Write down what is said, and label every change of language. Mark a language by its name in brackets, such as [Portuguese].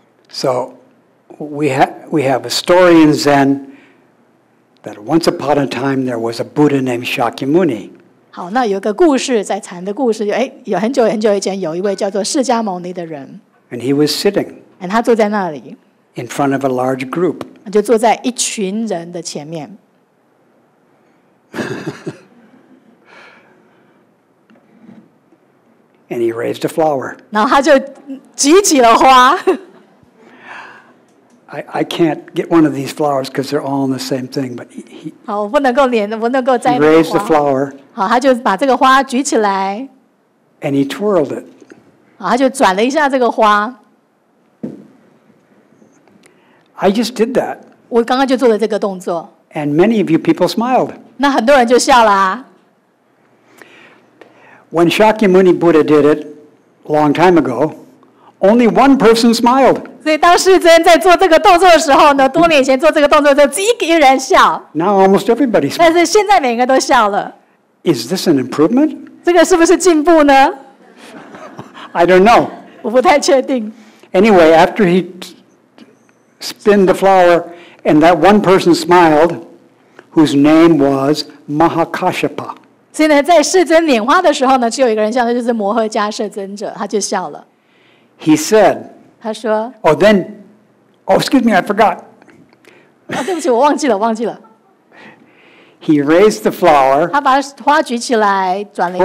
[English] So, we have a story in Zen that once upon a time there was a Buddha named Shakyamuni. [Chinese] 好，那有个故事，在禅的故事，有很久很久以前，有一位叫做释迦牟尼的人。 [English] And he was sitting. [Chinese] And 他坐在那里。 [English] In front of a large group. [Chinese] 就坐在一群人的前面。 [English] And he raised a flower. [Chinese] 然后他就举起了花。 [English] I can't get one of these flowers because they're all in the same thing. But he [Chinese] 好，我不能够连，不能够摘花。 [English] He raised the flower. [Chinese] 好，他就把这个花举起来。 [English] And he twirled it. [Chinese] 好，他就转了一下这个花。 [English] I just did that. [Chinese] 我刚刚就做了这个动作。 [English] And many of you people smiled. [Chinese] 那很多人就笑了啊。 [English] When Shakyamuni Buddha did it a long time ago, only one person smiled. [Chinese] 所以当世尊在做这个动作的时候呢，多年前做这个动作的时候，只一个人笑。 [English] Now almost everybody smiles. [Chinese] 但是现在每个人都笑了。 [English] Is this an improvement? [Chinese] 这个是不是进步呢 [English] ？I don't know. [Chinese] 我不太确定。 [English] Anyway, after he spun the flower and that one person smiled, whose name was Mahakashyapa. [Chinese] 所以呢，在世尊拈花的时候呢，只有一个人笑，那就是摩诃迦摄尊者，他就笑了。 [English] He said. [Chinese] 他说 [English] ，Oh, then, oh, excuse me, I forgot. [Chinese] 啊，对不起，我忘记了，忘记了。 [English] He raised the flower. [Chinese] 他把花举起来，转了一下。